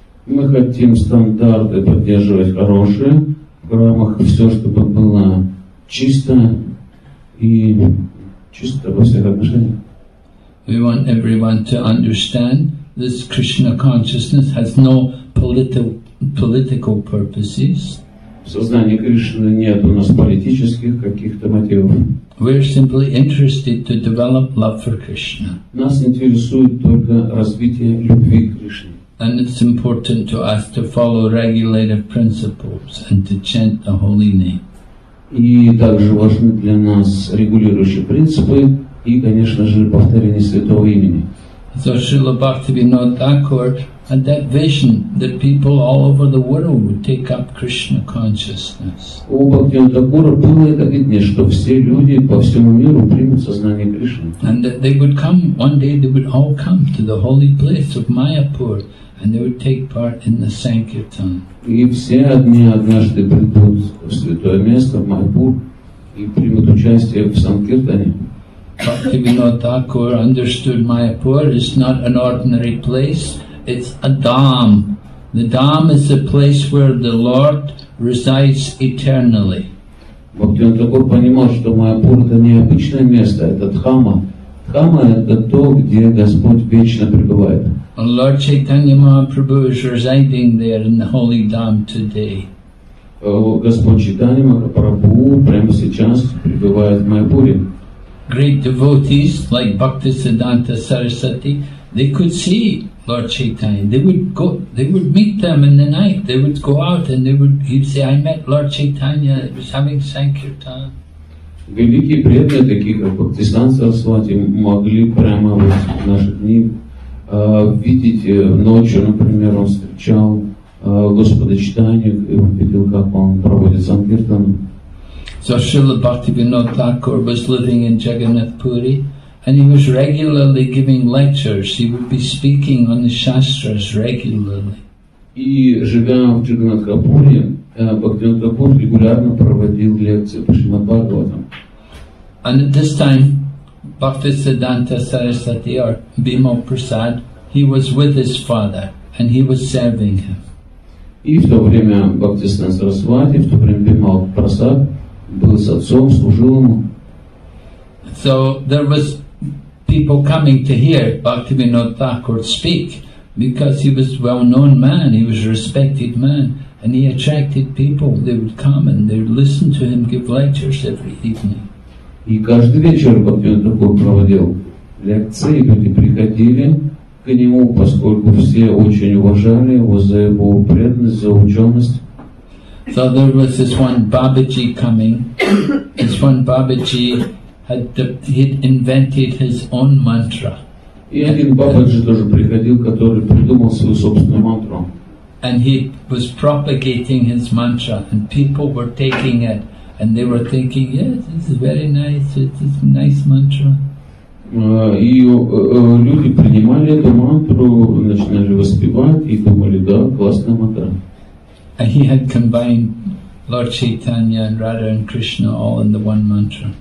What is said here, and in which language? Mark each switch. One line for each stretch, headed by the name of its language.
Russian: Мы хотим стандарты поддерживать хорошие в храмах, все, чтобы было чисто и чисто во всех отношениях.
English: We want everyone to understand this Krishna consciousness has no political purposes.
Russian: В сознании Кришны нет у нас политических каких-то мотивов.
English: We're simply interested to develop love for Krishna.
Russian: Нас интересует только развитие любви к Кришне.
English: And it's important to us to follow regulative principles and to chant the holy name.
Russian: И также важны для нас регулирующие принципы и, конечно же, повторение святого имени.
English: So Srila Bhaktivinoda Thakur had that vision that people all over the world would take up Krishna consciousness.
Russian: У Бхактивинода Такура было это видение, что все люди по всему миру примут сознание Кришны.
English: And that they would come, one day they would all come to the holy place of Mayapur and they would take part in the Sankirtan.
Russian: И все одни однажды придут в святое место, в Майпур, и примут участие в Санкиртане.
English: Bhaktivinoda Thakur understood Mayapur is not an ordinary place, it's a dham. The dham is a place where the Lord resides eternally.
Russian: Bhaktivinoda Thakur понимал, что Майапур это не обычное место, это дхама. Дхама это то, где Господь вечно пребывает.
English: And Lord Chaitanya Mahaprabhu is residing there in the holy dham today.
Russian: Господь Чайтанья Махапрабху прямо сейчас пребывает в Майапуре.
English: Great devotees like Bhaktisiddhanta Sarasati, they could see Lord Chaitanya. They would meet them in the night. They would go out and he'd say, I met Lord Chaitanya, he was having Sankirtan.
Russian: Великие преданные, такие как Бхактисиддханта Сарасвати, могли прямо в наши дни видеть ночью, например, он встречал Господа Чайтанью и увидел, как он проводит Сангиртану.
English: So Srila Bhaktivinoda Thakur was living in Jagannath Puri and he was regularly giving lectures. He would be speaking on the Shastras regularly.
Russian: И живя в Джаганнатхапуре, Бхактивинода Такур регулярно проводил лекции по Шримад-Бхагаватам.
English: And at this time, Bhaktisiddhanta Sarasati, or Bhima Prasad, he was with his father and he was serving him.
Russian: И в то время Бхактисиддханта Сарасвати, в то время Бхима Прасад, был с отцом, служил ему.
English: So there was people coming to hear Bhaktivinoda Thakur speak, because he was a well-known man, he was a respected man, and he attracted people. They would come and they would listen to him give lectures every evening.
Russian: И каждый вечер Бхактивинода Такур проводил лекции, люди приходили к нему, поскольку все очень уважали его за его преданность, за ученость.
English: So there was this one Бабаджи coming. This one Бабаджи had invented his own mantra.
Russian: И один Бабаджи тоже приходил, который придумал свою собственную мантру.
English: And he was propagating his mantra, and people were taking it. And they were thinking, yes, this is very nice, it's a nice mantra.
Russian: Люди принимали эту мантру, начинали воспевать и думали, да, классная мантра.
English: And he had combined Lord Chaitanya and Radha and Krishna all in the one mantra.